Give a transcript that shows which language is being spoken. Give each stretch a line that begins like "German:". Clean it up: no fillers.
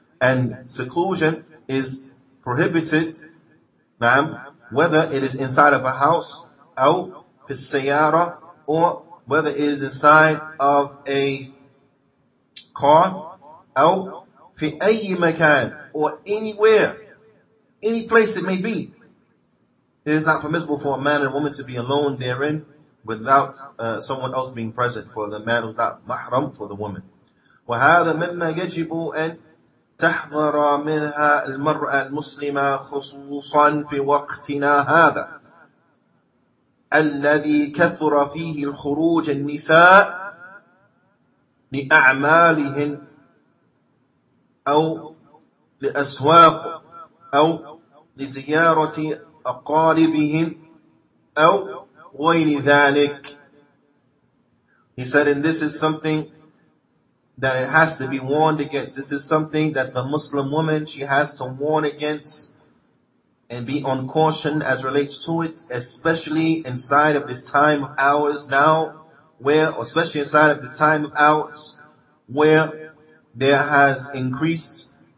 English: And seclusion is prohibited, ma'am, whether it is inside of a house,
Arabic: أو في السيارة,
English: or whether it is inside of a car,
Arabic: أو في أي مكان,
English: or anywhere, any place it may be. It is not permissible for a man and a woman to be alone therein without someone else being present, for the man who's not mahram for the woman.
Arabic: وَهَذَا مِمَّا يَجِبُ أَن تحضر منها المرأة المسلمة خصوصا في وقتنا هذا الذي كثر فيه الخروج النساء لأعمالهن أو لأسواق أو لزيارة أقاربهن أو غير ذلك.
English: He said, and this is something that it has to be warned against. This is something that the Muslim woman, she has to warn against and be on caution as relates to it, especially inside of this time of ours now, where there has increased